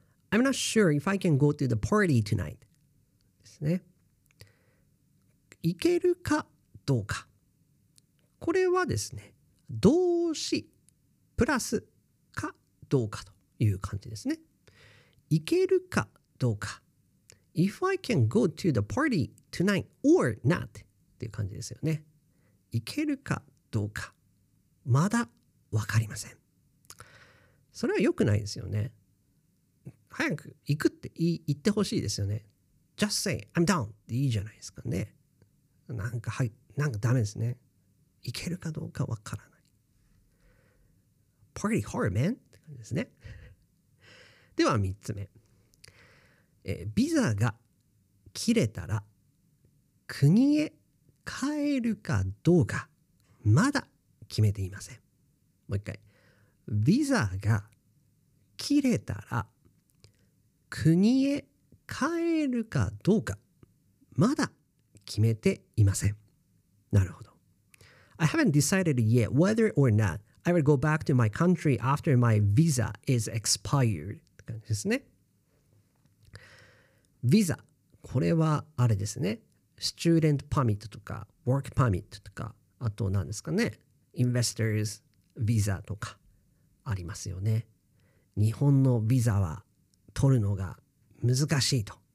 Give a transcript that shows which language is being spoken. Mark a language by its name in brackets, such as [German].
[English] I'm not sure if I can go to the party tonight ですね。 [Japanese] 行けるかどうか、これはですね、動詞プラスかどうかという感じですね。行けるかどうか。 [English] If I can go to the party tonight or not っていう感じですよね。 [Japanese] 行けるかどうか。まだわかりません。それは良くないですよね。早く行くって言ってほしいですよね。 Just say I'm down でいいじゃないですかね。なんかはい、なんかダメですね。行けるかどうかわからない。 Party hard man って感じですね。では3つ目、ビザが切れたら国へ帰るかどうかまだ決めていません。もう一回、ビザが切れたら国へ帰るかどうかまだ決めていません。なるほど。 [English] I haven't decided yet whether or not I will go back to my country after my visa is expired って感じですね。 [Japanese] ビザ、これはあれですね、スチューデントパーミットとかワークパーミットとか、あと何ですかね、インベスターズビザとかありますよね。日本のビザは取るのが難しいと。